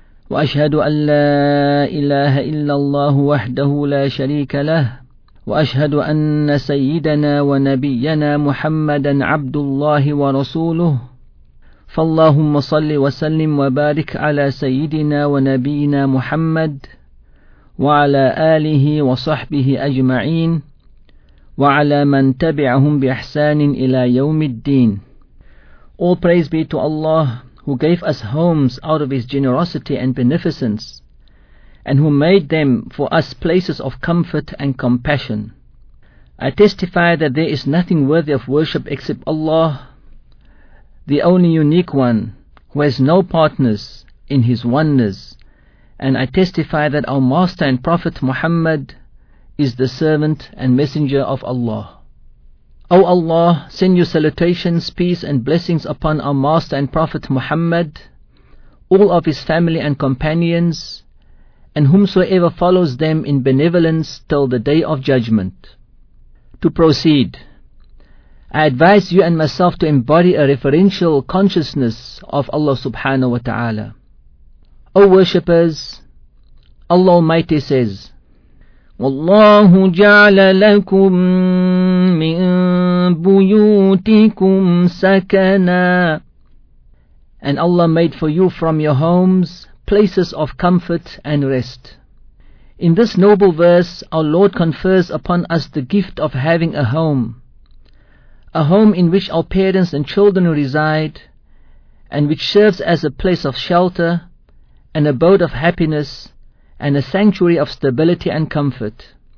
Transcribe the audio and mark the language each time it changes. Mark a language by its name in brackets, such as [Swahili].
[Arabic] وأشهد أن لا إله إلا الله وحده لا شريك له وأشهد أن سيدنا ونبينا محمدا عبد الله ورسوله فاللهم صل وسلم وبارك على سيدنا ونبينا محمد وعلى آله وصحبه أجمعين وعلى من تبعهم بإحسان إلى يوم الدين. [English] All praise be to Allah, who gave us homes out of His generosity and beneficence, and who made them for us places of comfort and compassion. I testify that there is nothing worthy of worship except Allah, the only unique one, who has no partners in His oneness. And I testify that our Master and Prophet Muhammad is the servant and messenger of Allah. O Allah, send your salutations, peace and blessings upon our Master and Prophet Muhammad, all of his family and companions, and whomsoever follows them in benevolence till the Day of Judgment. To proceed, I advise you and myself to embody a referential consciousness of Allah subhanahu wa ta'ala. O worshippers, Allah Almighty says, [Arabic] والله جعل لكم من بيوتكم سكنا. [English] And Allah made for you from your homes places of comfort and rest. In this noble verse, our Lord confers upon us the gift of having a home. A home in which our parents and children reside, and which serves as a place of shelter, an abode of happiness, and a sanctuary of stability and comfort.